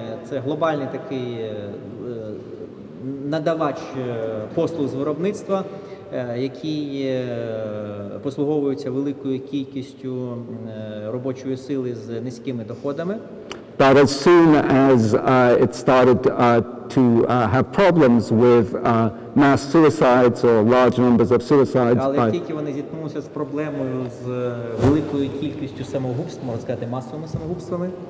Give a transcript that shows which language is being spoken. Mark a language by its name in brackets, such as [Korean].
[Ukrainian] Це глобальний такий надавач послуг з виробництва, який послуговується великою кількістю робочої сили з низькими доходами. [English] But as soon as it started to have problems with mass suicides or large numbers of suicides, [Ukrainian] але тільки вони зіткнулися з проблемою з великою кількістю самогубств, можна сказати, масовими самогубствами.